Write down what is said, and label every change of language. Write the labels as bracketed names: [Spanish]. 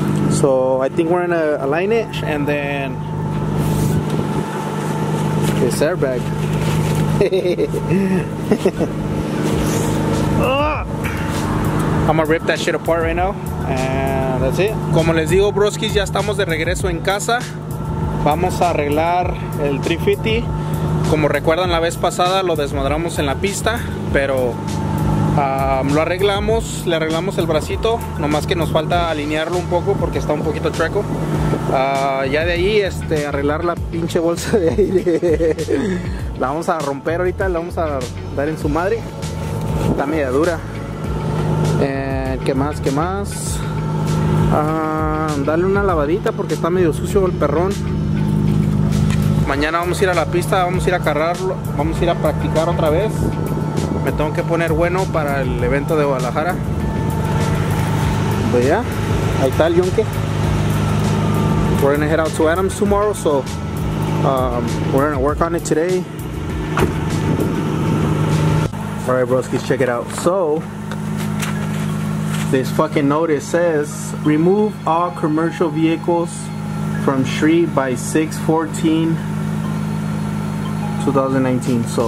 [English] So I think we're gonna align it, and then this airbag. I'ma rip that shit apart right now, and that's it. [Spanish] Como les digo, broskis, ya estamos de regreso en casa. Vamos a arreglar el 350. Como recuerdan, la vez pasada lo desmadramos en la pista, pero lo arreglamos, le arreglamos el bracito. Nomás que nos falta alinearlo un poco porque está un poquito chueco. Ya de ahí, arreglar la pinche bolsa de aire. La vamos a romper ahorita, la vamos a dar en su madre. Está media dura. ¿Qué más? ¿Qué más? Darle una lavadita porque está medio sucio el perrón. Mañana vamos a ir a la pista, vamos a ir a cargarlo, vamos a ir a practicar otra vez. Me tengo que poner bueno para el evento de Guadalajara. Pues ya, ahí está el yunque. [English] We're gonna head out to Adams tomorrow, so we're gonna work on it today. Alright, broskies, check it out. So, this fucking notice says, remove all commercial vehicles from street by 6/14/2019.